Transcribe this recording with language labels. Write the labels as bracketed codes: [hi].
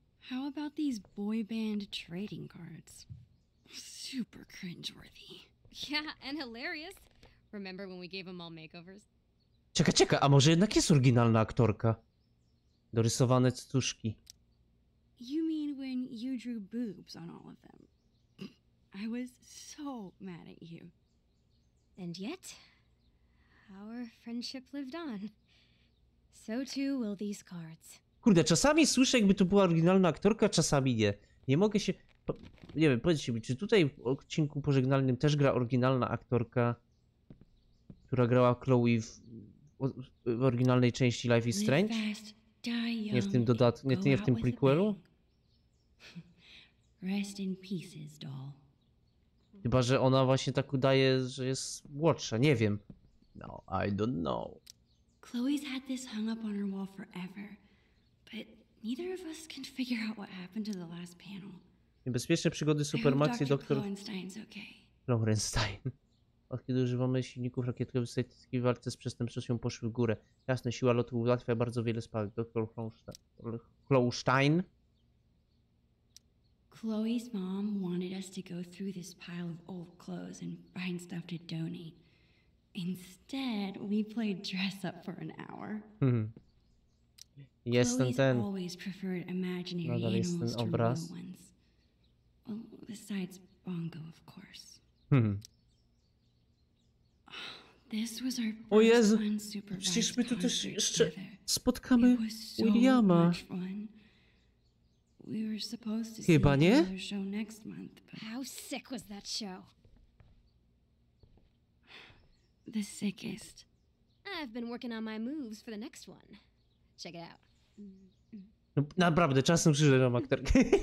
[en] How about these boy band trading cards? Super cringeworthy. Yeah, and hilarious. Remember when we gave them all makeovers? [pl] Czeka, a może jednak jest oryginalna aktorka? Dorysowane cytuszki. [en] You mean when you drew boobs on all of them? I was so mad at you. And yet, our friendship lived on. So too will these cards. [pl] Kurde, czasami słyszę, jakby tu była oryginalna aktorka, czasami nie. Nie mogę się... Nie wiem, powiedzcie mi, czy tutaj w odcinku pożegnalnym też gra oryginalna aktorka, która grała Chloe w oryginalnej części Life is Strange? Nie w tym dodatku, nie w tym prequelu? [en] Rest in pieces, doll. [pl] Chyba, że ona właśnie tak udaje, że jest młodsza, nie wiem. [en] No, I don't know. Chloe's had this hung up on her wall forever, but neither of us can figure out what happened to the last panel. [pl] Niebezpieczne przygody Supermax i doktor... Lorenstein. Od kiedy używamy silników rakietowych statystyki w walce z przestępczością poszły w górę. Jasne, siła lotu ułatwia bardzo wiele spadek. Doktor Chlostein. [en] Chloe's mom wanted us to go through this pile of old clothes and find stuff to donate. Instead, we played dress up for an hour. [pl] Jestem ten. [en] Always preferred imaginary animals to real obraz. Ones. Well, besides Bongo, of course. This was our first unsupervised time together. [pl] Przecież my tu też jeszcze spotkamy Williama. [en] We were supposed to [pl] chyba [en] see another show next month, but... How sick was that show? The sickest. I've been working on my moves for the next one. Check it out. [pl] No, naprawdę, czasem przyżywam aktorki.